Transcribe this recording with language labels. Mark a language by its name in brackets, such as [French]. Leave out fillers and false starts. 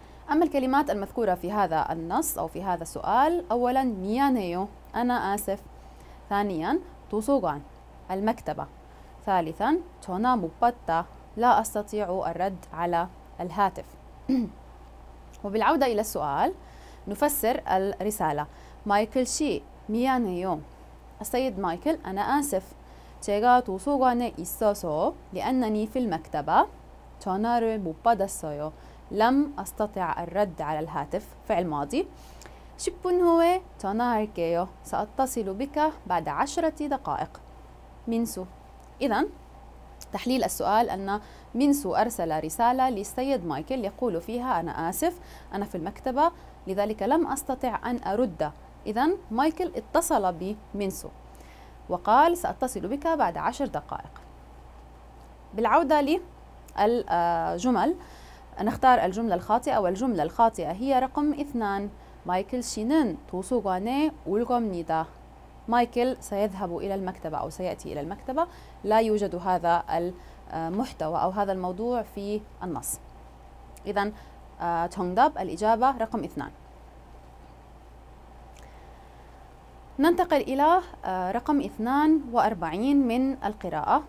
[Arabic] أما الكلمات المذكورة في هذا النص أو في هذا السؤال، أولاً [Korean] 미안해요 [Arabic] أنا آسف، ثانياً [Korean] 도서관 [Arabic] المكتبة، ثالثاً [Korean] 전화 못 받다 [Arabic] لا أستطيع الرد على الهاتف. وبالعودة إلى السؤال نفسر الرسالة. [Korean] مايكل شي 미안해요. [Arabic] السيد مايكل أنا آسف. [Korean] 제가 도서관에 있어서 [Arabic] لأنني في المكتبة [Korean] 전화를 못 받았어요. [Arabic] لم أستطع الرد على الهاتف، فعل ماضي. [Korean] 10분 후에 전화할게요. [Arabic] سأتصل بك بعد 10 دقائق. منسو. إذن تحليل السؤال أن منسو أرسل رسالة للسيد مايكل يقول فيها أنا آسف أنا في المكتبة لذلك لم أستطع أن أرد. إذن مايكل اتصل بمنسو وقال سأتصل بك بعد 10 دقائق. بالعودة للجمل نختار الجملة الخاطئة، والجملة الخاطئة هي رقم 2. [Korean] مايكل 씨는 도서관에 올 겁니다. [Arabic] مايكل سيذهب إلى المكتبة أو سيأتي إلى المكتبة. لا يوجد هذا المحتوى أو هذا الموضوع في النص. إذن تونغداب الإجابة رقم 2. ننتقل إلى رقم 42 من القراءة.